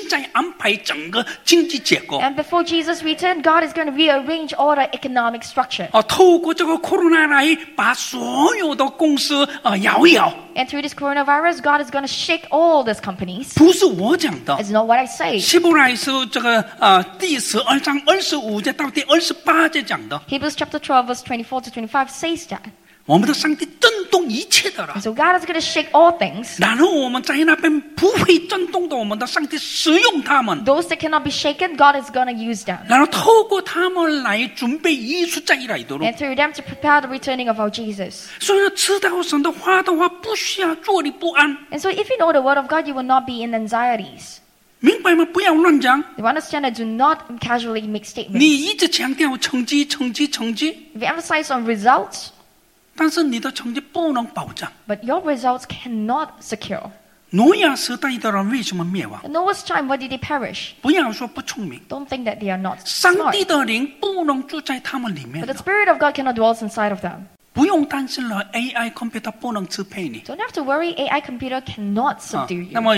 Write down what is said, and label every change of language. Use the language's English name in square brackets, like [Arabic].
[Chinese] 예수再来之前，我们的上帝重新再安排整个经济结构. [English] And before Jesus returns, God is going to rearrange all the economic structure. [Chinese] 透过这个코로나来把所有的公司摇一摇. [English] And through this coronavirus, God is going to shake all those companies. [Chinese] 不是我讲的. [English] It's not what I say. [Chinese] 希伯来书这个第12章25节到第28节讲的. [English] Hebrews chapter 12, verse 24 to 25 says that. [Chinese] 我们的 상태 震动 一切的了. [English] So God is going to shake all things. [Chinese] 然后我们在那边不会震动的，我们的 상태 使用他们. [English] Those that cannot be shaken, God is going to use them. [Chinese] 然后透过他们来准备耶稣再来一度. [English] And through them to prepare the returning of our Jesus. [Chinese] 所以知道神的话的话，不需要坐立不安. [English] And so if you know the word of God, you will not be in anxieties. [Chinese] 明白吗？不要乱讲. [English] You understand that? Do not casually make statements. [Chinese] 你一直强调成绩。 [English] If you emphasize on results. [Chinese] 但是你的成绩不能保障. [English] But your results cannot secure. [Chinese] 挪亚时代的人为什么灭亡? [English] In Noah's time, why did they perish? [Chinese] 不要说不聪明. [English] Don't think that they are not smart. [Chinese] 上帝的灵不能住在他们里面. [English] But the Spirit of God cannot dwell inside of them. [Chinese] 不用担心了, [English] AI computer [Chinese] 不能支配你. [English] Don't have to worry, AI computer cannot subdue you.